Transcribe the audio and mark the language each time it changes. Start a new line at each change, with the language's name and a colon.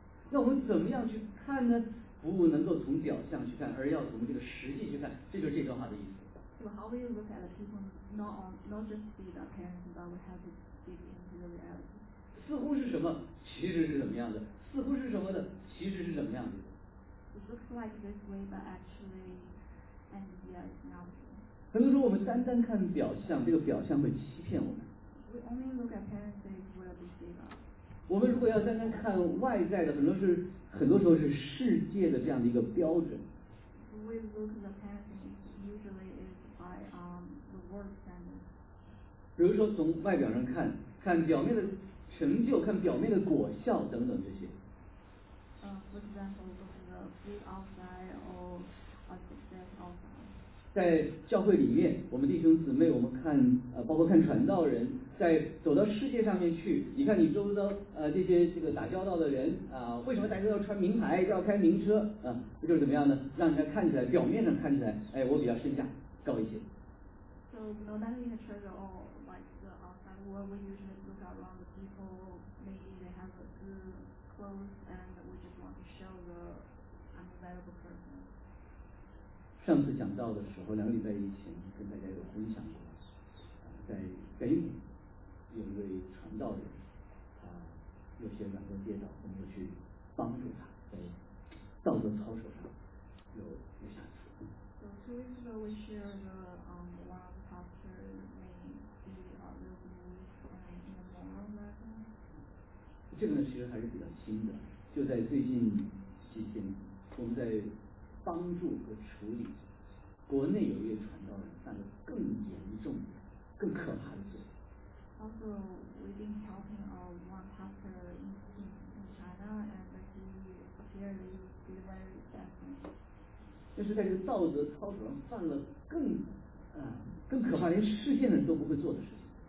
Chinese: 那我们怎么样去看呢？不能够从表象去看，而要从这个实际去看，这就是这段话的意思。
English: So how we look at the people, not just see the appearance, but we have to dig into the reality.
Chinese: 似乎是什么，其实是怎么样的？似乎是什么的，其实是怎么样的？
English: It looks like this way, but actually, and yet not.
Chinese: 可能说我们单单看表象，这个表象会欺骗我们。
English: We only look at appearance, it will deceive us.
Chinese: 我们如果要单单看外在的，很多时候是世界的这样的一个标准。
English: We look at appearance, usually is by the world standard.
Chinese: 比如说从外表上看，看表面的成就，看表面的果效等等这些。
English: For example, look at the good outside or success outside.
Chinese: 在教会里面，我们弟兄姊妹，我们看包括看传道人，在走到世界上面去，你看你周遭这些这个打交道的人啊、为什么大家要穿名牌，要开名车啊、就是怎么样呢？让人家看起来，表面上看起来，哎，我比较身价高一些。
English: So not only the church or like the outside world, we usually look around the people, maybe they have good clothes, and we just want to show the unavailable person.
Chinese: 上次讲到的时候，两个礼拜以前跟大家有分享过，在北美有一位传道人，他有些软弱跌倒，我们就去帮助他，在道德操守上有瑕疵。
English: So two weeks ago we shared the one pastor made the other move in the moral lesson.
Chinese: 这个呢其实还是比较新的，就在最近几天，我们在。帮助和处理国内有一位传道人犯了更严重的更可怕的罪。
English: Also, we've been helping one pastor in China and he clearly did very badly.
Chinese: 就是在这个道德操守上犯了更可怕连世间人都不会做的事情。